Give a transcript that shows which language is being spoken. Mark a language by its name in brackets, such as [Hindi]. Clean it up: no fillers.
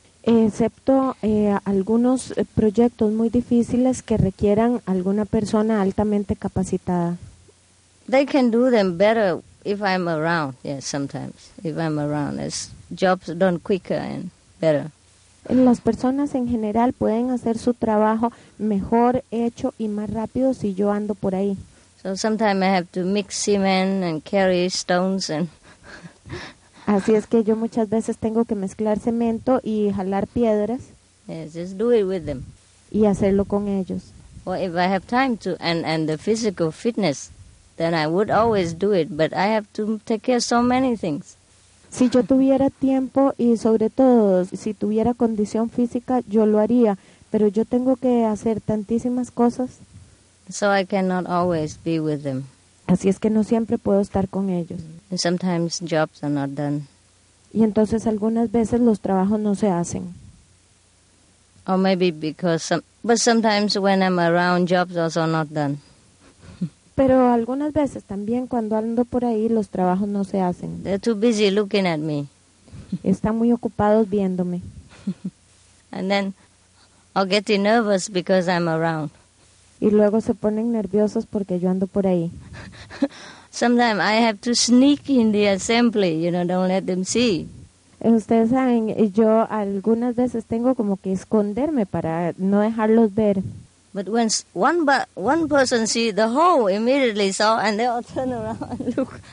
[Spanish] Excepto algunos proyectos muy difíciles que requieran alguna persona altamente capacitada. [English] They can do them better if I'm around. Yes, sometimes if I'm around, as jobs done quicker and better. [Spanish] Las personas en general pueden hacer su trabajo mejor hecho y más rápido si yo ando por ahí. [English] So sometimes I have to mix cement and carry stones and. [Spanish] Así es que yo muchas veces tengo que mezclar cemento y jalar piedras. [English] Yes, just do it with them. [Spanish] Y hacerlo con ellos. [English] Well, if I have time to and the physical fitness, then I would always do it, but I have to take care of so many things. [Spanish] Si yo tuviera tiempo y sobre todo si tuviera condición física, yo lo haría, pero yo tengo que hacer tantísimas cosas. [English] So I cannot always be with them. [Spanish] Así es que no siempre puedo estar con ellos. [English] And sometimes jobs are not done. [Spanish] Y entonces algunas veces los trabajos no se hacen. [English] Or maybe because but sometimes when I'm around, jobs are also not done. [Spanish] Pero algunas veces también cuando ando por ahí los trabajos no se hacen. [English] They're too busy looking at me. [Spanish] Están muy ocupados viéndome. [English] And then I'll get nervous because I'm around. [Spanish] Y luego se ponen nerviosos porque yo ando por ahí. [English] Sometimes I have to sneak in the assembly, you know, don't let them see. [Spanish] Ustedes saben, yo algunas veces tengo como que esconderme para no dejarlos ver. [English] But when one person see, the whole immediately saw, and they all turn around and look.